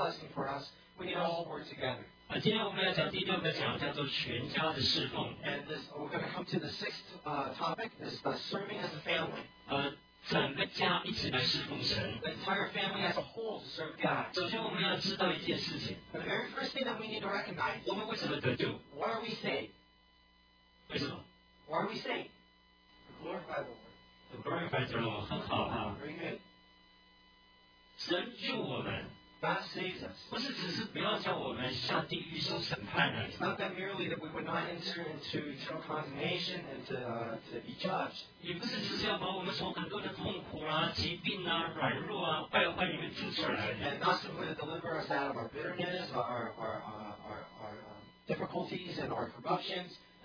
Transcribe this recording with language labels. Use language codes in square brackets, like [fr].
[zh] 今天我们要讲第六个讲叫做全家的侍奉。 [en] And this, we're going to come to the sixth topic, is the serving as a family. [zh] 整个家一起来侍奉神。 [en] The entire family as a whole to serve God. [zh] 首先我们要知道一件事情。 [en] The very first thing that we need to recognize. [zh] 我们为什么得救？ [en] What are we saved? [zh] 为什么？ [en] What are we saved? To glorify the Lord. To glorify the Lord, [zh] 很好哈。 [en] Very good. [zh] 神救我们。 [en] God saves us. [zh] 不是只是不要叫我们下地狱受审判而已。 [en] It's not that merely that we would not enter into eternal condemnation and to be judged. [zh] 也不是只是要把我们从很多的痛苦啊、疾病啊、软弱啊、败坏里面救出来。 [en] And not simply to deliver us out of our bitterness, our difficulties and our corruptions.